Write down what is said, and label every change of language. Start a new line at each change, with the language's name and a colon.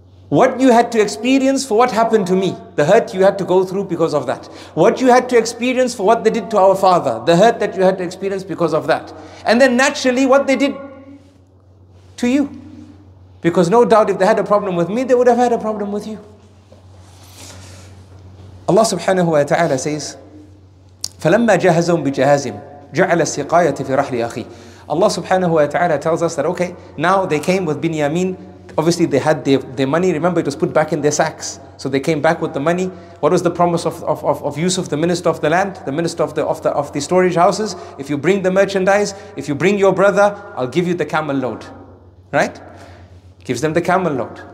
English: What you had to experience for what happened to me, the hurt you had to go through because of that. What you had to experience for what they did to our father, the hurt that you had to experience because of that. And then naturally, what they did to you. Because no doubt if they had a problem with me, they would have had a problem with you. Allah subhanahu wa ta'ala says,
Arabic: فَلَمَّا جَهَزَهُمْ بِجَهَازِمْ جَعَلَ السِّقَايَةِ فِي رَحْلِ أَخِي.
English: Allah subhanahu wa ta'ala tells us that, okay, now they came with Binyamin. Obviously they had their money. Remember, it was put back in their sacks. So they came back with the money. What was the promise of Yusuf, the minister of the land, the minister of the storage houses? If you bring the merchandise, if you bring your brother, I'll give you the camel load. Right? Gives them the camel load.